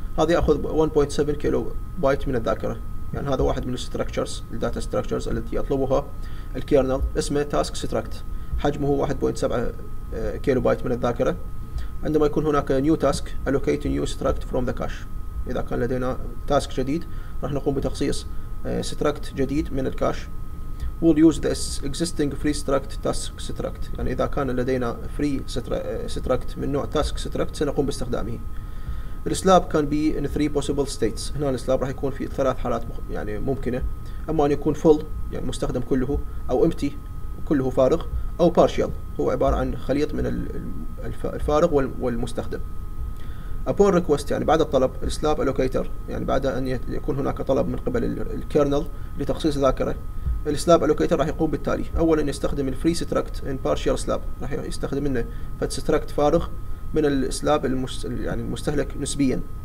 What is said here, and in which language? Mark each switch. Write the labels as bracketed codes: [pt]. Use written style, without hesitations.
[ar] هذا ياخذ 1.7 كيلو بايت من الذاكره، يعني هذا واحد من الستراكشرز الداتا ستراكشرز التي يطلبها الكيرنل، اسمه تاسك ستراكت، حجمه 1.7 كيلو بايت من الذاكره. عندما يكون هناك [en] new task allocate new struct from the cache, [ar] اذا كان لدينا تاسك جديد راح نقوم بتخصيص ستراكت جديد من الكاش. [en] We'll use the existing free struct task struct. [ar] يعني إذا كان لدينا free struct من نوع task struct سنقوم باستخدامه. [en] The slab can be in three possible states. [ar] هنا the slab راح يكون في ثلاث حالات يعني ممكنة. أما أن يكون full يعني مستخدم كله، أو empty كله فارغ، أو partial هو عبارة عن خليط من الفارغ والمستخدم. [en] Upon request [ar] يعني بعد الطلب، [en] the slab allocator [ar] يعني بعد أن يكون هناك طلب من قبل الكيرنل لتخصيص ذاكرة، السلاب الوكيتر راح يقوم بالتالي: اولا يستخدم [en] الفري struct in partial slab, [ar] راح يستخدم منه فد ستراكت فارغ من السلاب يعني المستهلك نسبيا.